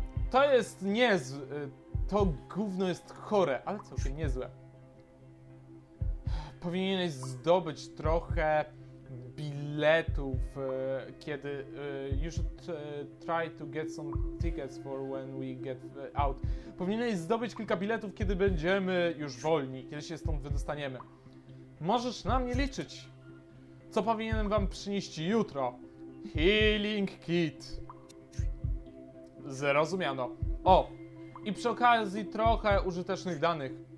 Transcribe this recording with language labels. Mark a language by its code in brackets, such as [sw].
[pl] To jest niezłe. To gówno jest chore, ale całkiem niezłe. Powinieneś zdobyć trochę biletów, kiedy... [en] you should try to get some tickets for when we get out. [pl] Powinieneś zdobyć kilka biletów, kiedy będziemy już wolni, kiedy się stąd wydostaniemy. Możesz na mnie liczyć. Co powinienem wam przynieść jutro? Healing kit. Zrozumiano. O, i przy okazji trochę użytecznych danych.